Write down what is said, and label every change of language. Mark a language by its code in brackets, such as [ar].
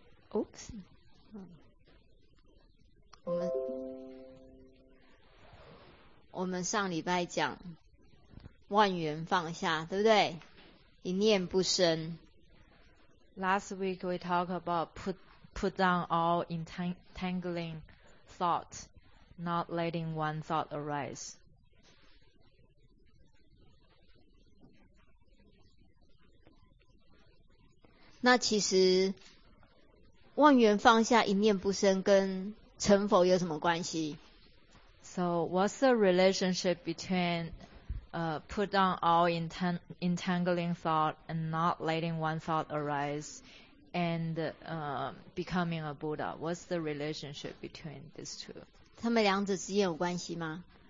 [zh] Oops。我们上礼拜讲万缘放下，对不对？一念不生。 [en] Last week we talk about put down all entangling thought, not letting one thought arise。 [zh] 那其实万缘放下，一念不生，跟成佛有什么关系 [en] ？So what's the relationship between put down all entangling thought and not letting one thought arise and becoming a Buddha? What's the relationship between these two？ [zh] 他们两者之间有关系吗？